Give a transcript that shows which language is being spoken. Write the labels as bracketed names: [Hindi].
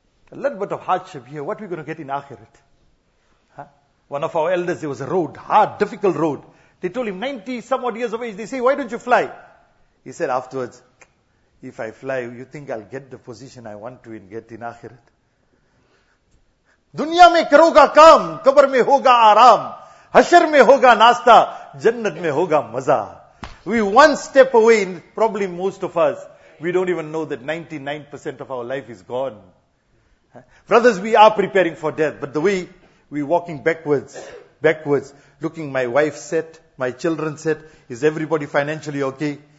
[English] A little bit of hardship here. What are we going to get in akhirat? One of our elders, it was a road, hard, difficult road. They told him, 90 some odd years of age, they say, why don't you fly? He said afterwards, if I fly, you think I'll get the position I want to in get in akhirat? [Urdu] دنیا میں کرو گا کام، قبر میں ہوگا آرام، حشر میں ہوگا ناشتہ، جنت میں ہوگا مزہ. [English] We one step away, and probably most of us, we don't even know that 99% of our life is gone. Brothers, we are preparing for death, but the way we're walking backwards, looking my wife set, my children set, is everybody financially okay?